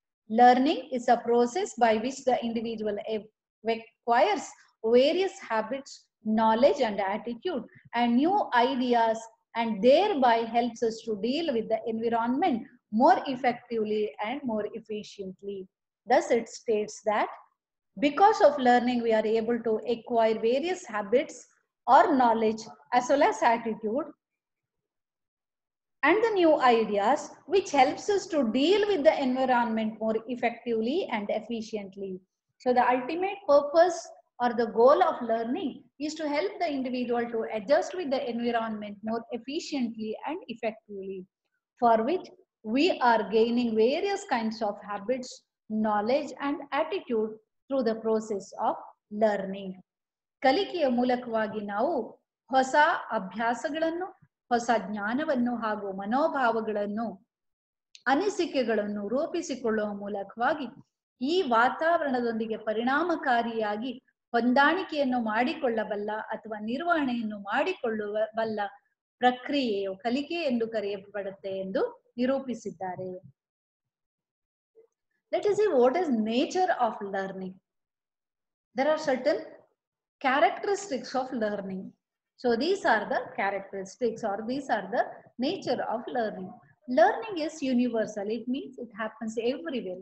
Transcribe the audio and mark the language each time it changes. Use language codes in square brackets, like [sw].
[en] Learning is a process by which the individual acquires various habits, knowledge and attitude and new ideas and thereby helps us to deal with the environment more effectively and more efficiently. Thus, it states that because of learning, we are able to acquire various habits or knowledge as well as attitude and the new ideas, which helps us to deal with the environment more effectively and efficiently. So the ultimate purpose or the goal of learning is to help the individual to adjust with the environment more efficiently and effectively, for which we are gaining various kinds of habits, knowledge and attitude through the process of learning. [kn] ಕಲಿಕೆಯ ಮೂಲಕವಾಗಿ ನಾವು ಹೊಸ ಅಭ್ಯಾಸಗಳನ್ನು, ಹೊಸ ಜ್ಞಾನವನ್ನು ಹಾಗೂ ಮನೋಭಾವಗಳನ್ನು, ಅನಿಸಿಕೆಗಳನ್ನು ರೂಪಿಸಿಕೊಳ್ಳುವ ಮೂಲಕವಾಗಿ ಈ ವಾತಾವರಣದೊಂದಿಗೆ ಪರಿಣಾಮಕಾರಿಯಾಗಿ ಹೊಂದಾಣಿಕೆಯನ್ನು ಮಾಡಿಕೊಳ್ಳಬಲ್ಲ ಅಥವಾ ನಿರ್ವಹಣೆಯನ್ನು ಮಾಡಿಕೊಳ್ಳಬಲ್ಲ ಪ್ರಕ್ರಿಯೆಯು ಕಲಿಕೆ ಎಂದು ಕರೆಯಲ್ಪಡುತ್ತೆ ಎಂದು ನಿರೂಪಿಸಿದ್ದಾರೆ. [en] Let us see what is nature of learning. There are certain characteristics of learning. So these are the characteristics, or these are the nature of learning. Learning is universal. It means it happens everywhere.